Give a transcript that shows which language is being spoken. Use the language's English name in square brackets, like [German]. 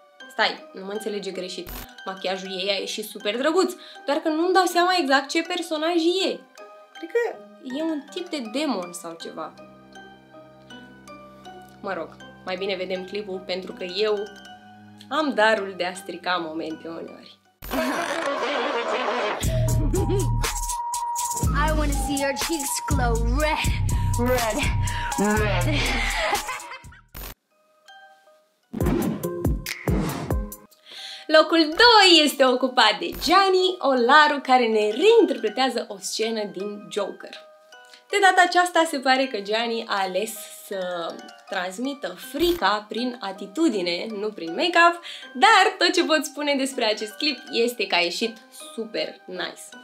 [Romanian] Stai, nu mă înțelege greșit. Machiajul ei a ieșit super drăguț, doar că nu-mi dau seama exact ce personaj e. Cred că e un tip de demon sau ceva. Mă rog, mai bine vedem clipul, pentru că eu am darul de a strica momente uneori. [English] I wanna see your cheeks glow red, red, red. [Romanian] Locul 2 este ocupat de Gianni Olaru, care ne reinterpretează o scenă din Joker. De data aceasta se pare că Gianni a ales să transmită frica prin atitudine, nu prin make-up, dar tot ce pot spune despre acest clip este că a ieșit [English] super nice.